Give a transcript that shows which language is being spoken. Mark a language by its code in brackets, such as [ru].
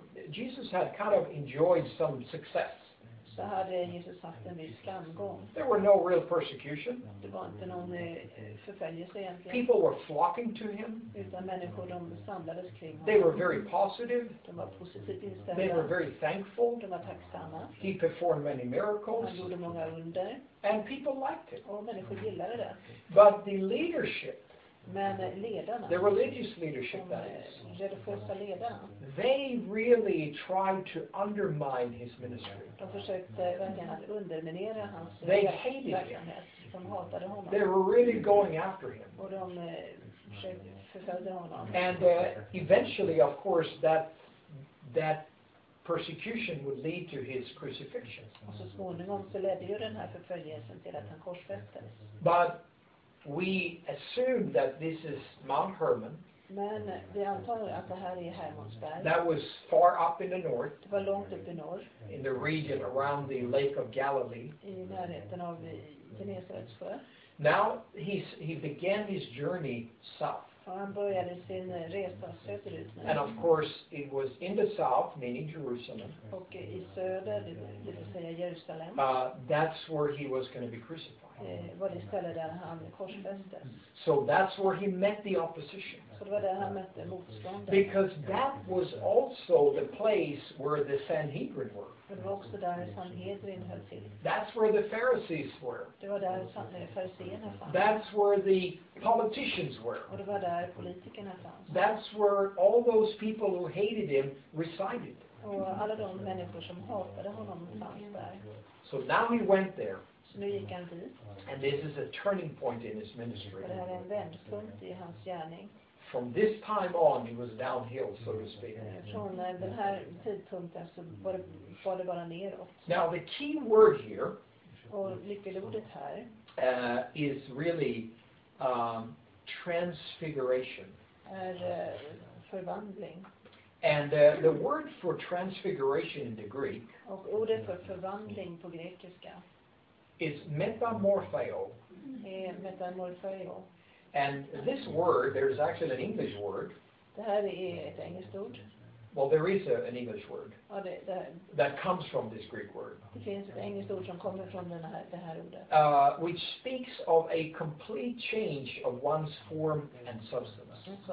[en] Jesus had kind of enjoyed some success. [sv] Så hade Jesus haft en viss framgång. [en] There were no real persecution. [sv] Det var inte någon förföljelse egentligen. [en] People were flocking to him. [sv] Utan människor de samlades kring honom. [en] They were very positive. [sv] De var positivt inställda. [en] They were very thankful. [sv] De var tacksamma. [en] He performed many miracles. [sv] Han gjorde många under. [en] And people liked it. [sv] Och människor gillade det. [en] But the leadership. [sv] Men ledarna. [en] The religious leadership, that is. [sv] De religiösa ledarna. [en] They really tried to undermine his ministry. [sv] De försökte verkligen att underminera hans verksamhet. De hatade honom. [en] They were really going after him. [sv] Och de förföljde honom. [en] And eventually, of course, that persecution would lead to his crucifixion. [sv] Och så småningom så ledde ju den här förföljelsen till att han korsfästes. [en] But we assume that this is Mount Hermon. [sv] Men vi antar att det här är Hermonsberg. [en] That was far up in the north. [sv] Det var långt upp i norr. [en] In the region around the Lake of Galilee. [sv] I närheten av Genesarets sjö. [en] Now he began his journey south. [sv] Och han började sin resa söderut. [en] And of course it was in the south, meaning Jerusalem. [sv] Och i söder, det vill säga Jerusalem. [en] That's where he was going to be crucified. [sv] Var det stället där han korsfästes. [en] So that's where he met the opposition. [sv] Så det var där han mötte motståndet. [en] Because that was also the place where the Sanhedrin were. [sv] Det var också där Sanhedrin höll till. [en] That's where the Pharisees were. [sv] Det var där fariseerna fanns. [en] That's where the politicians were. [sv] Och det var där politikerna fanns. [en] That's where all those people who hated him resided. [sv] Och alla de människor som hatade honom fanns där. [en] So now he went there. [sv] Så nu gick han dit. [en] And this is a turning point in his ministry. [sv] Det här är en vändpunkt i hans gärning. [en] From this time on, he was downhill, so to speak. [sv] Från den här tidpunkten så var det bara neråt. [en] Now the key word here. [sv] Och nyckelordet här. [en] Is really transfiguration. [sv] är förvandling. [en] And the word for transfiguration in the Greek. [sv] Och ordet för förvandling på grekiska. [en] Is metamorpho. [sv] Metamorpho. [en] And this word, there's actually an English word. [sv] Det här är ett engelskt ord. [en] Well, there is an English word. [sv] Ja, [en] that comes from this Greek word. [sv] Det finns ett engelskt ord som kommer från det här ordet. [en] Which speaks of a complete change of one's form and substance.